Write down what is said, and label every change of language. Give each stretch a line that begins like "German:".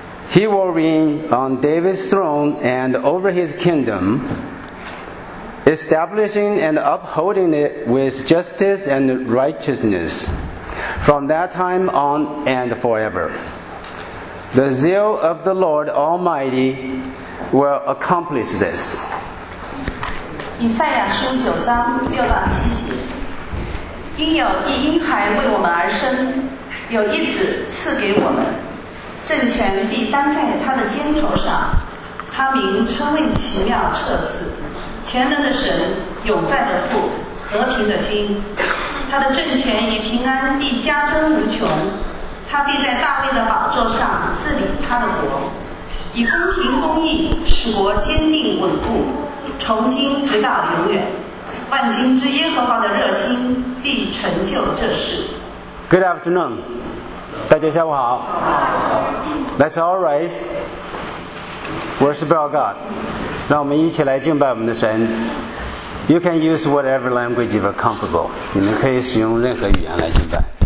English: He will reign on David's throne and over his kingdom, establishing and upholding it with justice and righteousness from that time on and forever. The zeal of the Lord Almighty will accomplish this.
Chinese: 以赛亚书九章六到七节，因有一婴孩为我们而生，有一子赐给我们，政权必担在他的肩头上，他名称为奇妙、赦赐、全能的神、永在的父、和平的君。他的政权与平安必加增无穷，他必在大卫的宝座上治理他的国，以公平公义使国坚定稳固，从今直到永远，万军之耶和华的热心必成就这事。
English: Good afternoon.
Chinese: 大家下午好。
English: Let's all rise. Worship our God.
Chinese: 让我们一起来敬拜我们的神。
English: You can use whatever language you are comfortable.
Chinese: 你们可以使用任何语言来敬拜。